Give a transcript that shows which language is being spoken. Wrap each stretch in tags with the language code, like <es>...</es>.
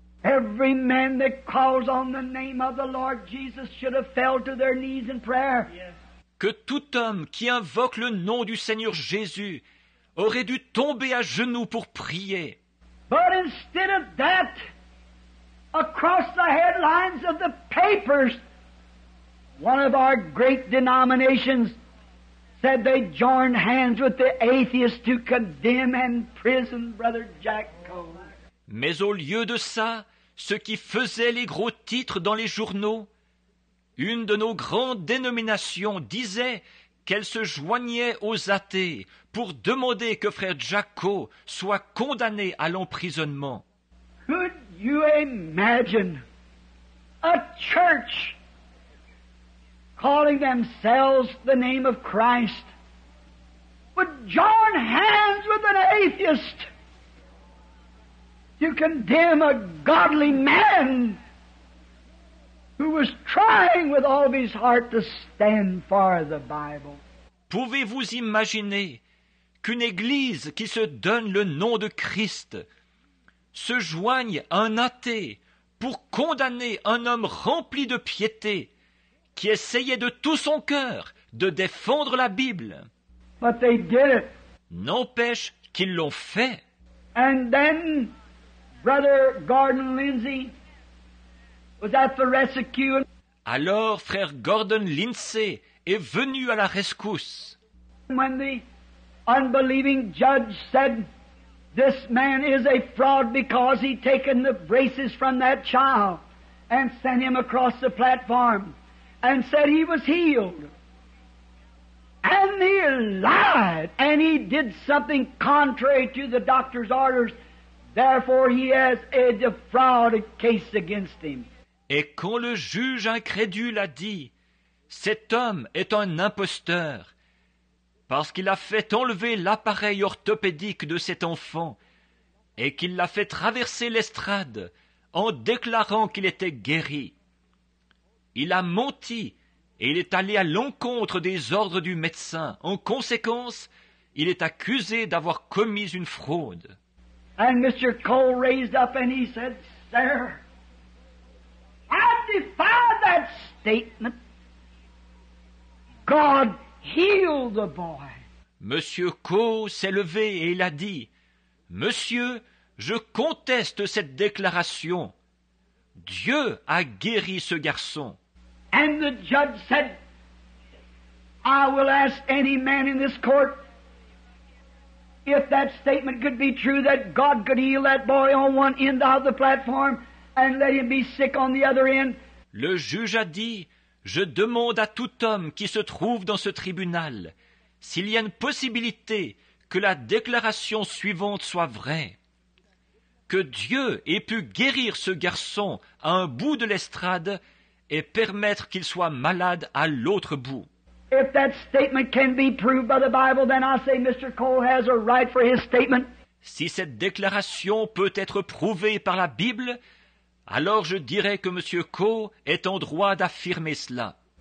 <en>Every man that calls on the name of the Lord Jesus should have fell to their knees in prayer. Yes.</en> <fr>Que tout homme qui invoque le nom du Seigneur Jésus aurait dû tomber à genoux pour prier.</fr> <en>But instead of that, across the headlines of the papers, one of our great denominations said they joined hands with the atheists to condemn and prison Brother Jack Cole.</en> <fr>Mais au lieu de ça, ce qui faisait les gros titres dans les journaux, une de nos grandes dénominations disait qu'elle se joignait aux athées pour demander que frère Jacko soit condamné à l'emprisonnement.</fr> <en>Could you imagine a church calling themselves the name of Christ would join hands with an atheist? You condemn a godly man who was trying with all of his heart to stand for the Bible.</en> <fr>Pouvez-vous imaginer qu'une église qui se donne le nom de Christ se joigne à un athée pour condamner un homme rempli de piété qui essayait de tout son cœur de défendre la Bible?</fr> <en>But they did it.</en> <fr>N'empêche qu'ils l'ont fait.</fr> <en>And then Brother Gordon Lindsay was at the rescue.</en> <fr>Alors, frère Gordon Lindsay est venu à la rescousse.</fr> <en>When the unbelieving judge said, "This man is a fraud because he's taken the braces from that child and sent him across the platform and said he was healed." And he lied and he did something contrary to the doctor's orders. Therefore, he has a defraud case against him.</en> <fr>Et quand le juge incrédule a dit, cet homme est un imposteur, parce qu'il a fait enlever l'appareil orthopédique de cet enfant et qu'il l'a fait traverser l'estrade en déclarant qu'il était guéri, il a menti et il est allé à l'encontre des ordres du médecin. En conséquence, il est accusé d'avoir commis une fraude.</fr> <en>And Mr. Cole raised up and he said, "Sir, I defy that statement. God healed the boy."</en> <fr>Monsieur Cole s'est levé et il a dit, "Monsieur, je conteste cette déclaration. Dieu a guéri ce garçon."</fr> <en>And the judge said, "I will ask any man in this court if that statement could be true, that God could heal that boy on one end of the platform and let him be sick on the other end."</en> <fr>Le juge a dit, je demande à tout homme qui se trouve dans ce tribunal s'il y a une possibilité que la déclaration suivante soit vraie, que Dieu ait pu guérir ce garçon à un bout de l'estrade et permettre qu'il soit malade à l'autre bout.</fr> <en>If that statement can be proved by the Bible, then I say Mr. Cole has a right for his statement.</en> <fr>Si cette déclaration peut être prouvée par la Bible, alors je dirais que M. Coe est en droit d'affirmer cela.</fr>